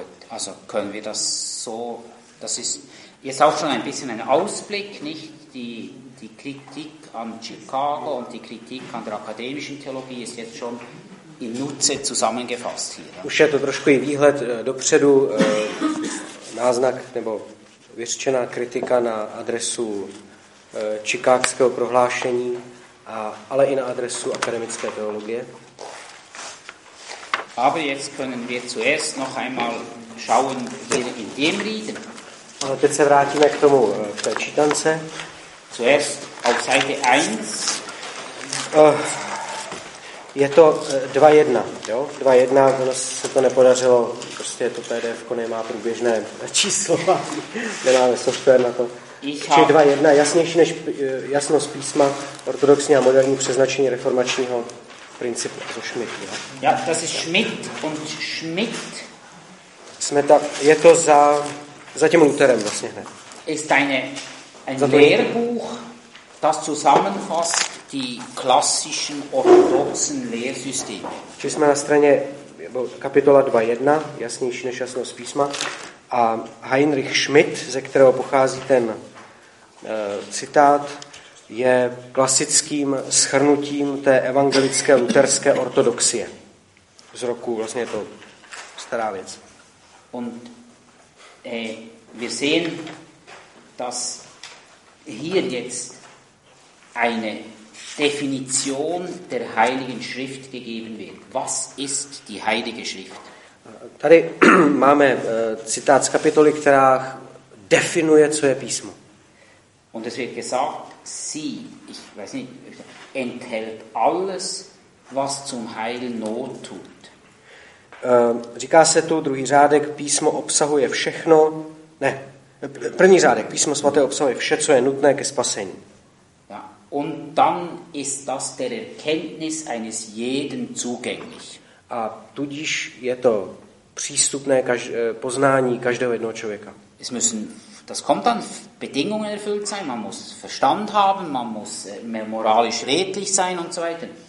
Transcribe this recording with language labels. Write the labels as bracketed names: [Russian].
[German] Also können wir das so, das ist jetzt auch schon ein bisschen ein Ausblick, nicht? Die Kritik an Chicago und die Kritik an der akademischen Theologie ist jetzt schon in Nutze zusammengefasst hier. [Czech] Už je to trošku i výhled dopředu, náznak nebo vyřčená kritika na adresu chicagského prohlášení, ale i na adresu akademické teologie. [German] Aber jetzt können wir zuerst noch einmal schauen wir in dem Reader. [Czech] Ale teď se vrátíme k tomu, k té čítance. [German] Zuerst auf Seite 1. [Czech] Je to 2.1, jo? 2.1, ono se to nepodařilo, prostě to PDF-ko nemá průběžné číslo, nemáme software na to. Čili 2.1, jasnější než jasnost písma, ortodoxní a moderní přeznačení reformačního principu. To Schmidt, jo? [German] Ja, das ist Schmidt und Schmidt. [Czech] Je to za tím Lutherem vlastně hned. [German] Ist ein Lehrbuch, das zusammenfasst die klassischen orthodoxen Lehrsysteme. [Czech] Čili jsme na straně kapitola 2.1, jasnější než jasnost písma, a Heinrich Schmidt, ze kterého pochází ten citát, je klasickým shrnutím té evangelické luterské ortodoxie. Z roku, vlastně je to stará věc. [German] Und wir sehen, dass hier jetzt eine Definition der Heiligen Schrift gegeben wird. Was ist die Heilige Schrift? [Czech] Tady máme citát z kapitoly, která definuje, co je písmo. [German] Und es wird gesagt, sie, ich weiß nicht, enthält alles, was zum Heil not tut. [Czech] Říká se tu druhý řádek, písmo obsahuje všechno, ne, první řádek, písmo svaté obsahuje vše, co je nutné ke spasení. [German] Ja, und dann ist das der Erkenntnis eines jeden zugänglich. [Czech] A tudíž je to přístupné poznání každého jednoho člověka. [German] Es müssen, das kommt dann, Bedingungen erfüllt sein, man muss Verstand haben, man muss moralisch redlich sein und so weiter.